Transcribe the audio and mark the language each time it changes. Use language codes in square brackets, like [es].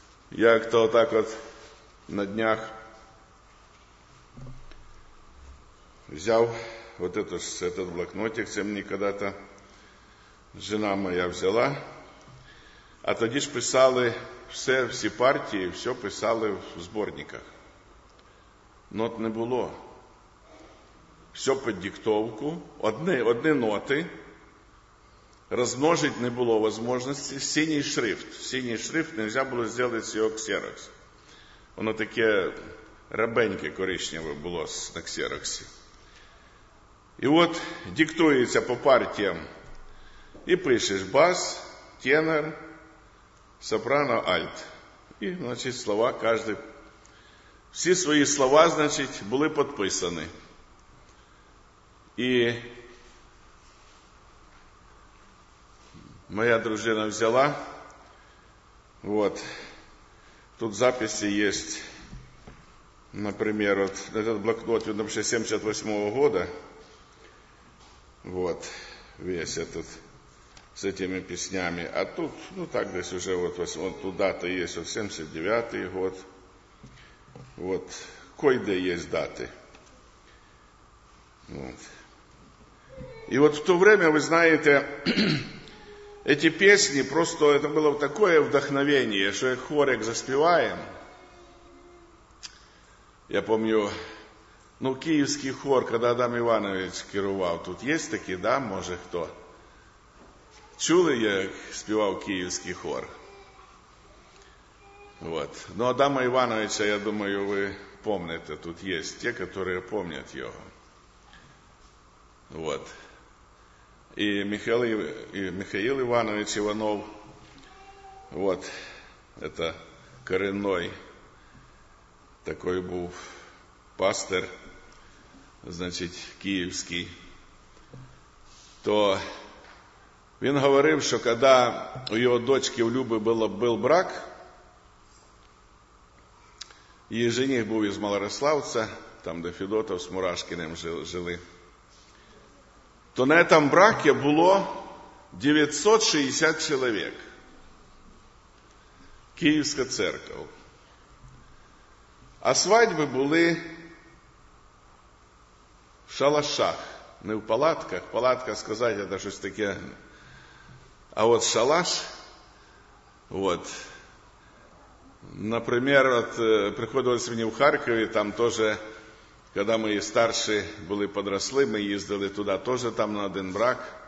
[ru] Я кто так вот на днях взял вот этот блокнотик, це мне когда-то жена моя взяла. [uk] А тоді ж писали всі партії, все писали в сборниках. Нот не було. Все під диктовку, одні ноти. Розмножити не було можливості. Синій шрифт нельзя було зробити його ксерокс. Воно таке рабеньке коричневе було на ксероксі. [ru] И вот диктуется по партиям, и пишешь бас, тенор, сопрано, альт. [uk] І, значить, слова кожен. Всі свої слова, значить, були підписані. І моя дружина взяла. От. Тут записи є. Наприклад, от цей блокнот, він вже 78-го року. [ru] Вот, весь этот, с этими песнями. А тут, ну так, десь уже вот, вот тут дата есть, вот 79-й год. Вот, кое-где есть даты. Вот. И вот в то время, вы знаете, эти песни, просто это было такое вдохновение, что их хорик заспеваем. Я помню... [uk] Ну, київський хор, коли Адам Іванович керував, тут є такі, да, може, хто? Чули, як співав київський хор? Вот. Ну, Адама Івановича, я думаю, ви помните, тут є ті, які помнять його. Вот. І Михаїл Іванович Іванов, вот, це коренной такой був пастир, значить, київський, то він говорив, що коли у його дочки у Люби був брак, її жених був із Малорославця, там, де Федотов з Мурашкиним жили, то на цьому браке було 960 чоловік. Київська церква. А свадьби були в шалашах, не в палатках. Палатка, сказати, це щось таке. А от шалаш, от. Наприклад, от, приходилось мені в Харкові, там теж, коли мої старші були подросли, ми їздили туди теж там на один брак.